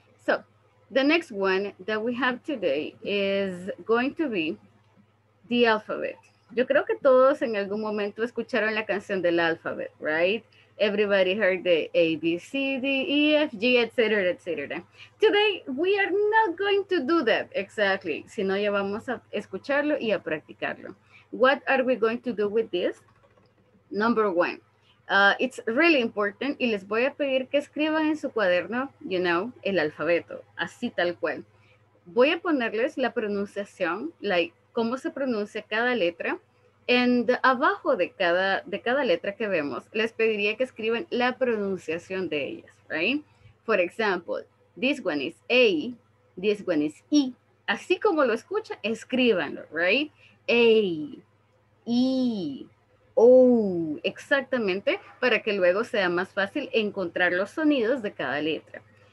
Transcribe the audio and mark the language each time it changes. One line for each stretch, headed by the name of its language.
English: So, the next one that we have today is going to be the alphabet.
Spanish: Yo creo que todos en algún momento escucharon la canción del alphabet,
English: right? Everybody heard the A, B, C, D, E, F, G, etc., etc. Today, we are not going to do that exactly,
Spanish: sino ya vamos a escucharlo y a practicarlo.
English: What are we going to do with this? Number one. It's really important,
Spanish: y les voy a pedir que escriban en su cuaderno,
English: you know,
Spanish: el alfabeto, así tal cual. Voy a ponerles la pronunciación,
English: like,
Spanish: cómo se pronuncia cada letra,
English: and
Spanish: abajo de cada letra que vemos, les pediría que escriban la pronunciación de ellas, right?
English: For example, this one is A, this one is E.
Spanish: Así como lo escucha, escríbanlo,
English: right?
Spanish: A, E, oh, exactamente, para que luego sea más fácil encontrar los sonidos de cada letra.